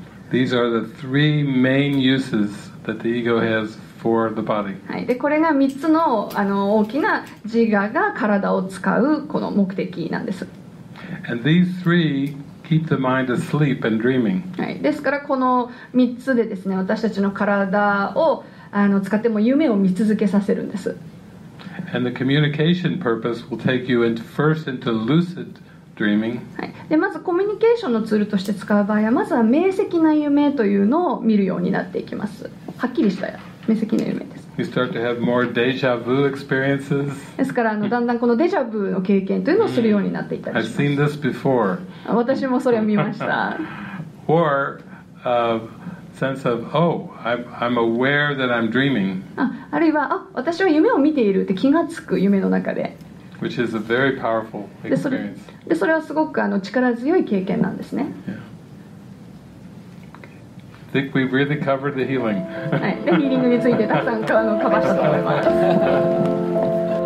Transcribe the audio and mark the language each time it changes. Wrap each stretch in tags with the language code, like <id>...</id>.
<en>These are the three main uses that the ego has for the body.</en> <ja>はい。で、これが3つの、あの、大きな自我が体を使うこの目的なんです。</ja> <en>And these three keep the mind asleep and dreaming.</en> <ja>はい。ですからこの3つでですね、私たちの体をあの使っても夢を見続けさせるんです。</ja> <en>And the communication purpose will take you into first into lucid dreaming.</en> <ja>で、まずコミュニケーションのツールとして使う場合は、まずは明晰な夢というのを見るようになっていきます。はっきりしたや、明晰な夢です。</ja> <en>You start to have more deja vu experiences.</en> <ja>ですから、だんだんこのデジャブの経験というのをするようになっていったりします。</ja> <en>I've seen this before.</en> <ja>私もそれを見ました。</ja> <en>Or a sense of, oh, I'm aware that I'm dreaming.</en> <ja>あるいは、あ、私は夢を見ているって気がつく夢の中で。</ja> <en>Which is a very powerful experience.</en> <ja>で、それはすごく力強い経験なんですね。</ja> <en>I think we've really covered the healing.</en> <ja>はい、で、ヒーリングについてたくさんカバーしたと思います。</ja>